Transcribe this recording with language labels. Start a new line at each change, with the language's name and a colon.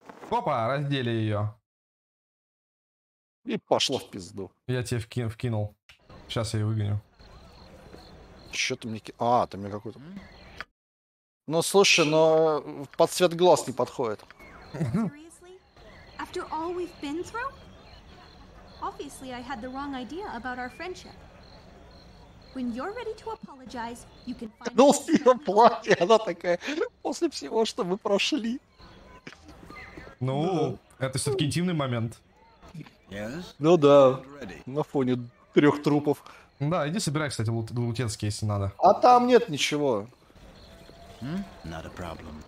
Russian: Опа, раздели ее. И пошло в пизду. Я тебе вкинул. Сейчас я ее выгоню. Че ты мне... А, ты мне какой-то... Ну, слушай, но под цвет глаз не подходит.
English: After all we've been through? Obviously, I had the wrong idea about our friendship. When you're ready to apologize, you can find us.
Russian: Ну, её платье, она такая, после всего, что мы прошли. Ну, это все-таки интимный момент.
English: Yes?
Russian: Ну да, на фоне трех трупов. Да, иди собирай, кстати, лутецкий, если надо. А там нет ничего.
English: Not a problem.